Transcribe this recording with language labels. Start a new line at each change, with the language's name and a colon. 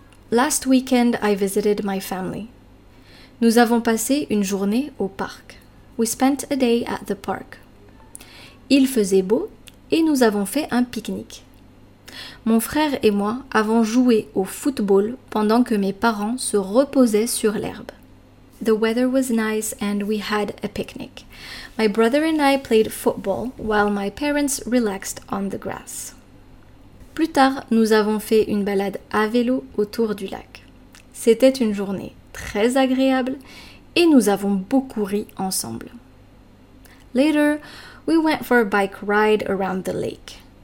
English: Last weekend, I visited my family.
French: Nous avons passé une journée au parc.
English: We spent a day at the park.
French: Il faisait beau et nous avons fait un pique-nique. Mon frère et moi avons joué au football pendant que mes parents se reposaient sur l'herbe.
English: The weather was nice and we had a picnic. My brother and I played football while my parents relaxed on the grass.
French: Plus tard, nous avons fait une balade à vélo autour du lac. C'était une journée très agréable et nous avons beaucoup ri ensemble.
English: Later, we went for a bike ride around the lake.